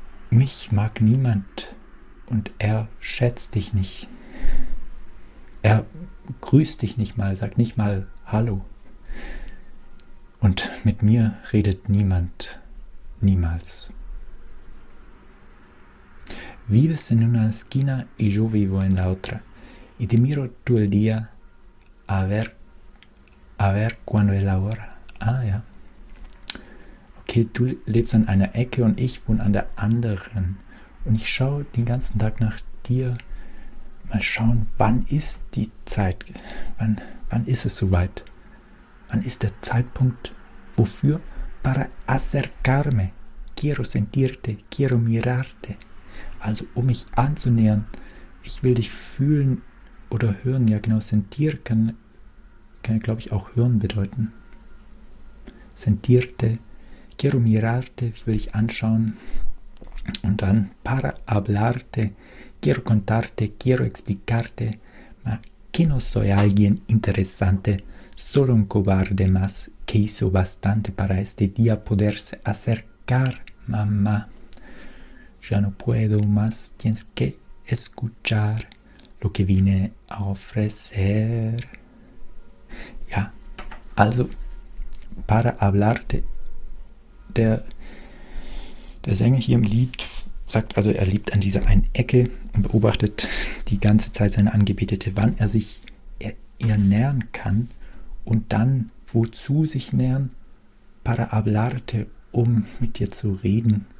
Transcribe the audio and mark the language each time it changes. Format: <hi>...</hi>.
<de>Mich mag niemand und er schätzt dich nicht. Er grüßt dich nicht mal, sagt nicht mal Hallo. Und mit mir redet niemand, niemals.</de> <es>Vives en una esquina y yo vivo en la otra. Y te miro tú el día a ver cuando es la hora.</es> <de>Ah, ja. Okay, du lebst an einer Ecke und ich wohne an der anderen. Und ich schaue den ganzen Tag nach dir. Mal schauen, wann ist die Zeit? Wann ist es soweit? Wann ist der Zeitpunkt? Wofür?</de> <es>Para acercarme. Quiero sentirte. Quiero mirarte.</es> <de>Also um mich anzunähern, ich will dich fühlen oder hören. Ja genau, sentir kann glaube ich auch hören bedeuten.</de> <es>Sentirte, quiero mirarte,</es> <de>ich will dich anschauen. Und dann</de> <es>para hablarte, quiero contarte, quiero explicarte. Ma que no soy alguien interesante, solo un cobarde más que hizo bastante para este día poderse acercar, mamá. Ya no puedo más, tienes que escuchar lo que vine a ofrecer.</es> <de>Ja, also,</de> <es>para hablar,</es> <de>der Sänger hier im Lied sagt, also er lebt an dieser einen Ecke und beobachtet die ganze Zeit seine Angebetete, wann er sich ihr nähern kann und dann wozu sich nähern,</de> <es>para hablarte,</es> <de>um mit dir zu reden.</de>